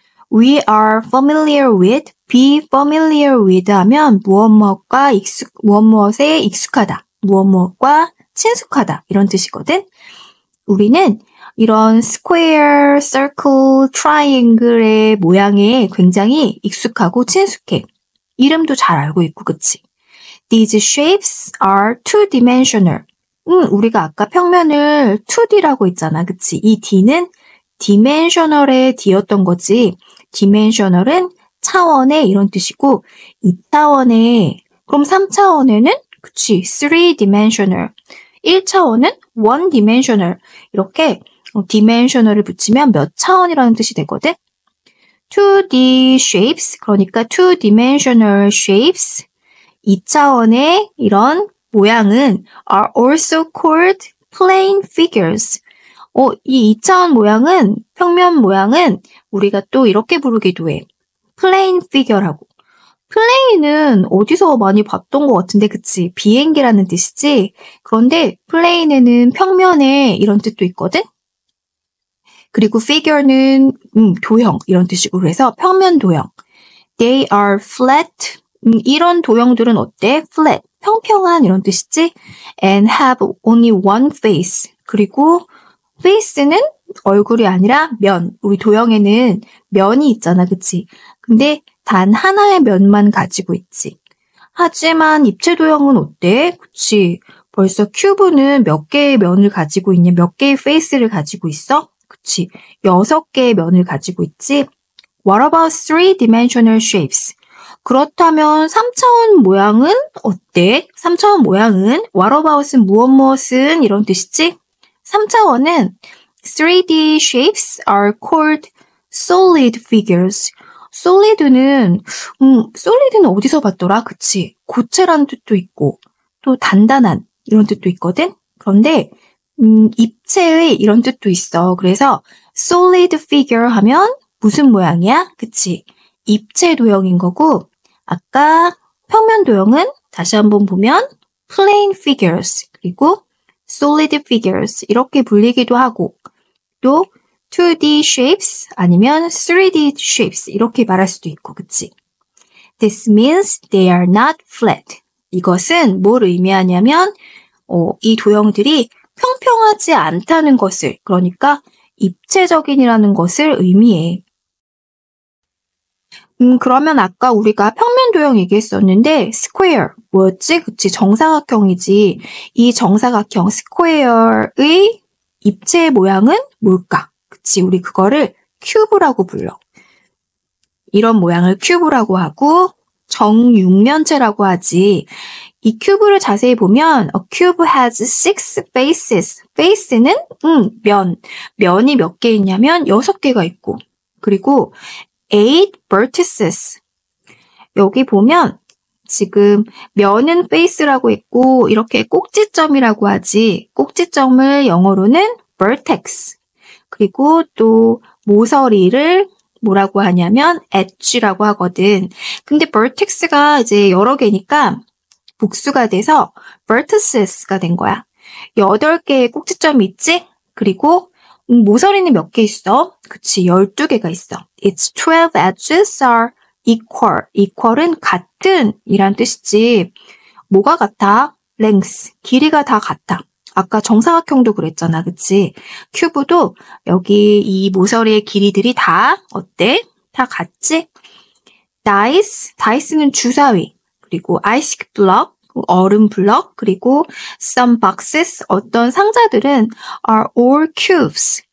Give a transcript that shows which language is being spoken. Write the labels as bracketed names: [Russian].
[English] We are familiar with, be familiar with [Korean] 하면 무엇무엇에 익숙하다, 무엇무엇과 친숙하다 이런 뜻이거든. 우리는 이런 square, circle, triangle의 모양에 굉장히 익숙하고 친숙해. 이름도 잘 알고 있고, 그치? [English] These shapes are two-dimensional. [Korean] 우리가 아까 평면을 2D라고 했잖아, 그치? 이 D는 dimensional의 D였던 거지. dimensional은 차원의 이런 뜻이고, 2차원의, 그럼 3차원에는? 그치, three-dimensional. 1차원은 one-dimensional. 이렇게 dimensional을 붙이면 몇 차원이라는 뜻이 되거든? 2D shapes, 그러니까 two-dimensional shapes, 2차원의 이런 모양은 [English] are also called plane figures. [Korean] 이 2차원 모양은, 평면 모양은 우리가 또 이렇게 부르기도 해. plane figure라고. plane은 어디서 많이 봤던 것 같은데, 그치? 비행기라는 뜻이지? 그런데 plane에는 평면에 이런 뜻도 있거든? 그리고 figure는 도형 이런 뜻이고 그래서 평면 도형. [English] They are flat. [Korean] 이런 도형들은 어때? flat, 평평한 이런 뜻이지? [English] And have only one face. [Korean] 그리고 face는 얼굴이 아니라 면. 우리 도형에는 면이 있잖아, 그치? 근데 단 하나의 면만 가지고 있지. 하지만 입체 도형은 어때? 그치? 벌써 큐브는 몇 개의 면을 가지고 있냐? 몇 개의 face를 가지고 있어? 그치, 여섯 개의 면을 가지고 있지. [English] What about three-dimensional shapes? [Korean] 그렇다면 3차원 모양은 어때? 3차원 모양은 what about은 무엇무엇은 이런 뜻이지? 3차원은 [English] 3D shapes are called solid figures. [Korean] solid는, solid는 어디서 봤더라? 그치? 고체란 뜻도 있고, 또 단단한, 이런 뜻도 있거든? 그런데, 입체의 이런 뜻도 있어. 그래서 solid figure 하면 무슨 모양이야? 그치? 입체 도형인 거고, 아까 평면 도형은 다시 한번 보면 plain figures, 그리고 solid figures 이렇게 불리기도 하고, 또 2D shapes 아니면 3D shapes 이렇게 말할 수도 있고, 그치? [English] This means they are not flat. [Korean] 이것은 뭘 의미하냐면 이 도형들이 평평하지 않다는 것을, 그러니까 입체적인이라는 것을 의미해. 그러면 아까 우리가 평면 도형 얘기했었는데 square 뭐였지? 그치, 정사각형이지. 이 정사각형 square의 입체 모양은 뭘까? 그치, 우리 그거를 큐브라고 불러. 이런 모양을 큐브라고 하고 정육면체라고 하지. 이 큐브를 자세히 보면 [English] a cube has six faces. [Korean] face는 면. 면이 몇 개 있냐면 여섯 개가 있고. [English] 그리고 eight vertices. [Korean] 여기 보면 지금 면은 face라고 했고 이렇게 꼭지점이라고 하지. 꼭지점을 영어로는 vertex. 그리고 또 모서리를 뭐라고 하냐면 edge라고 하거든. 근데 vertex가 이제 여러 개니까 복수가 돼서 vertices가 된 거야. 8개의 꼭지점이 있지? 그리고 모서리는 몇 개 있어? 그치, 12개가 있어. [English] It's 12 edges are equal. [Korean] equal은 같은 이란 뜻이지. 뭐가 같아? length, 길이가 다 같아. 아까 정사각형도 그랬잖아, 그치? 큐브도 여기 이 모서리의 길이들이 다 어때? 다 같지? dice, dice는 주사위. 그리고 ice block, 얼음 블럭, 그리고 some boxes, 어떤 상자들은 [English] are all cubes.